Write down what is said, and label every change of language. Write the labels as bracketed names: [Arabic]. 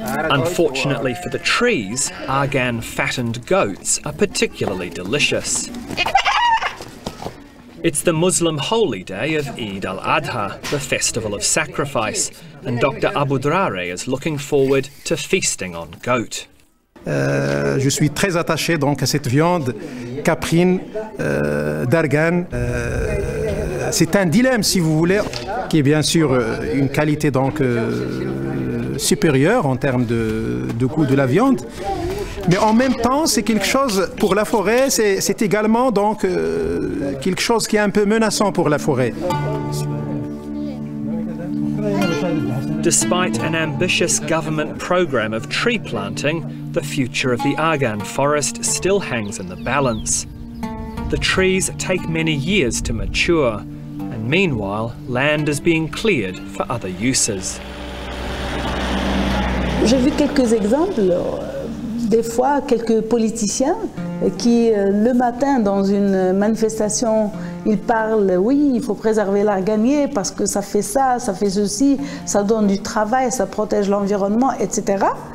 [English] Unfortunately for the trees, argan fattened goats are particularly delicious. It's the Muslim holy day of Eid al-Adha, the festival of sacrifice, and Dr. Abudrare is looking forward to feasting on goat. [French] Je suis très attaché donc à cette viande caprine d'argan. C'est un dilemme, si vous voulez, qui est bien sûr une qualité donc supérieure en termes de goût de la viande. Mais en même temps, c'est quelque chose pour la forêt, c'est également donc quelque chose qui est un peu menaçant pour la forêt. [English] Despite an ambitious government program of tree planting, the future of the argan forest still hangs in the balance. The trees take many years to mature, and meanwhile, land is being cleared for other uses. [French] J'ai vu quelques exemples. Des fois, quelques politiciens qui, le matin, dans une manifestation, ils parlent, oui, il faut préserver l'arganier parce que ça fait ça, ça fait ceci, ça donne du travail, ça protège l'environnement, etc.